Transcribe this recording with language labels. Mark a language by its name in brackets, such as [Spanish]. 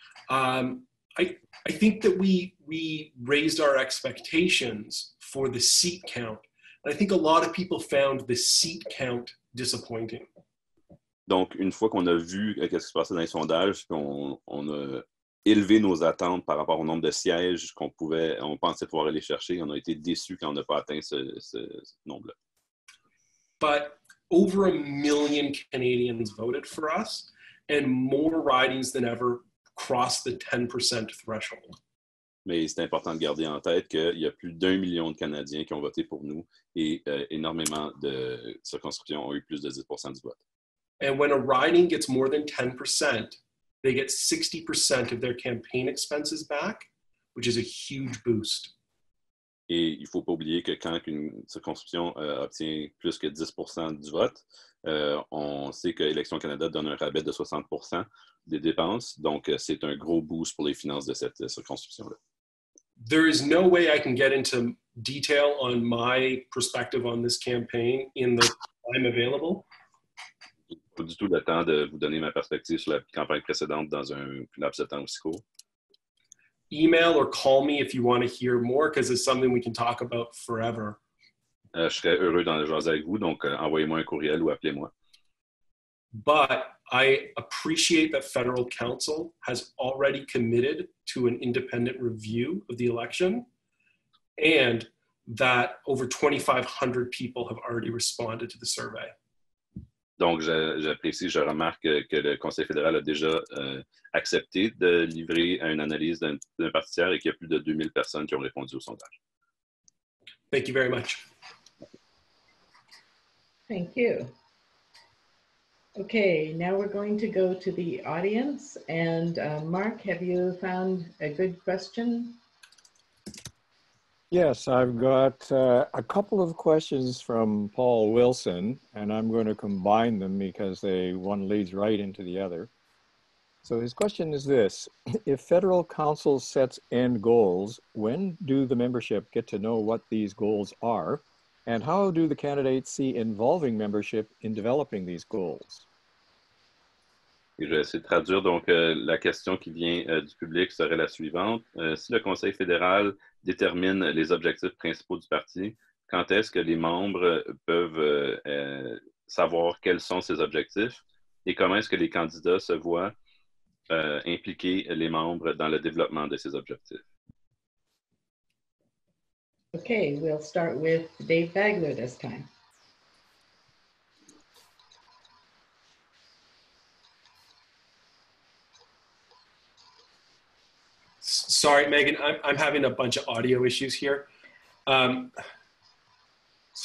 [English] I think that we raised our expectations for the seat count. And I think a lot of people found the seat count disappointing. [French] Donc, une fois qu'on a vu qu'est-ce qui se passait dans les sondages, on a élevé nos attentes par rapport au nombre de sièges on pensait pouvoir aller chercher. On a été déçus quand on n'a pas atteint ce nombre-là. [English] But over a million Canadians voted for us, and more ridings than ever crossed the 10% threshold. [French] Mais c'est important de garder en tête qu'il y a plus d'un million de Canadiens qui ont voté pour nous et énormément de circonscriptions ont eu plus de 10% du vote. [English] And when a riding gets more than 10%, they get 60% of their campaign expenses back, which is a huge boost. [French] Et il faut pas oublier que quand une circonscription obtient plus que 10% du vote, on sait que Élections Canada donne un rabais de 60% des dépenses, donc c'est un gros boost pour les finances de cette circonscription-là. [English] There is no way I can get into detail on my perspective on this campaign in the time available. [French] Pas du tout le temps de vous donner ma perspective sur la campagne précédente dans un laps de temps aussi court. [English] Email or call me if you want to hear more, because it's something we can talk about forever. [French] Je serais heureux d'en jaser avec vous, donc envoyez-moi un courriel ou appelez-moi. [English] But I appreciate that Federal Council has already committed to an independent review of the election, and that over 2,500 people have already responded to the survey. [French] Donc, j'apprécie, je remarque que le Conseil fédéral a déjà accepté de livrer une analyse d'un parti tiers et qu'il y a plus de 2000 personnes qui ont répondu au sondage. [English] Thank you very much. Thank you. Okay, now we're going to go to the audience. And Mark, have you found a good question? Yes, I've got a couple of questions from Paul Wilson, and I'm going to combine them because one leads right into the other. So his question is this: if Federal Council sets end goals, when do the membership get to know what these goals are, and how do the candidates see involving membership in developing these goals? [French] Et je vais essayer de traduire. Donc, la question qui vient du public serait la suivante. Si le Conseil fédéral détermine les objectifs principaux du parti, quand est-ce que les membres peuvent savoir quels sont ces objectifs et comment est-ce que les candidats se voient impliquer les membres dans le développement de ces objectifs? [English] Okay, we'll start with Dave Bagler this time. Sorry, Megan, I'm having a bunch of audio issues here. So